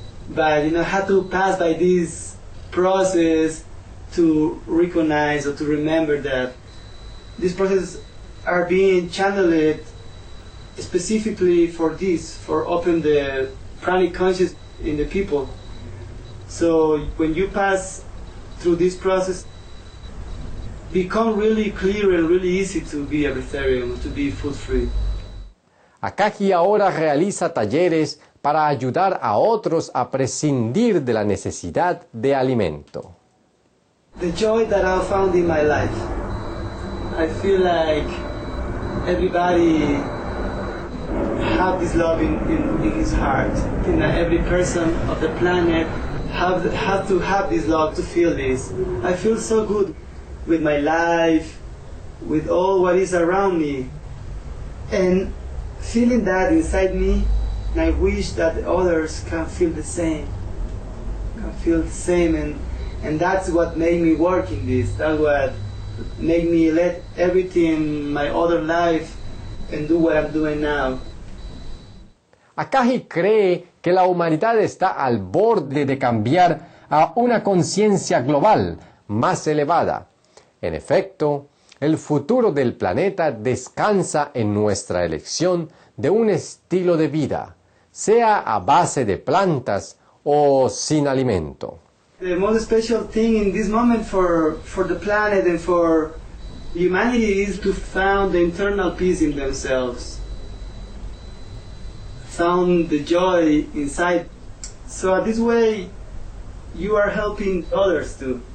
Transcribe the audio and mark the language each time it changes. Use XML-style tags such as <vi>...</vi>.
<en>but you know, had to pass by this process to recognize or to remember that these processes are being channeled specifically for this, for open the pranic consciousness in the people. So when you pass through this process, become really clear and really easy to be a vegetarian, to be food free.</en> <es>Akagi ahora realiza talleres para ayudar a otros a prescindir de la necesidad de alimento.</es> <en>The joy that I found in my life. I feel like everybody have this love in his heart. I think that every person of the planet has to have this love to feel this. I feel so good with my life, with all what is around me. And feeling that inside me, and I wish that the others can feel the same. Can feel the same, and that's what made me work in this. That's what made me let everything, my other life, and do what I'm doing now.</en> <es>Akagi cree que la humanidad está al borde de cambiar a una conciencia global más elevada. En efecto, el futuro del planeta descansa en nuestra elección de un estilo de vida, sea a base de plantas o sin alimento.</es> <en>The most special thing in this moment for the planet and for humanity is to find the internal peace in themselves. Found the joy inside. So this way you are helping others too.</en>